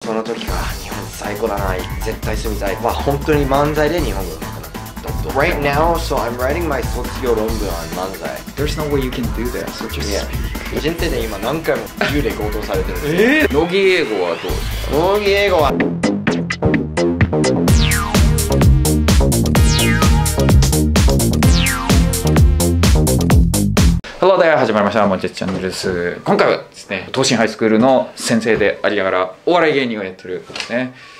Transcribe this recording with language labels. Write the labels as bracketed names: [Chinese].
[Japanese] その時は日本最高だな、絶対住みたい。まあ本当に漫才で日本語を書くな。 [English] Right now, so I'm writing my 卒業論文 on 漫才。 There's no way you can do that, so just speak. [Japanese] 人生で今何回も銃で強盗されてるんですよ。乃木英語はどうですか？乃木英語は。 [English] Hello there! [Japanese] 始まりました、もちチャンネルです。今回はですね、東進ハイスクールの先生でありながら、お笑い芸人をやってるんですね。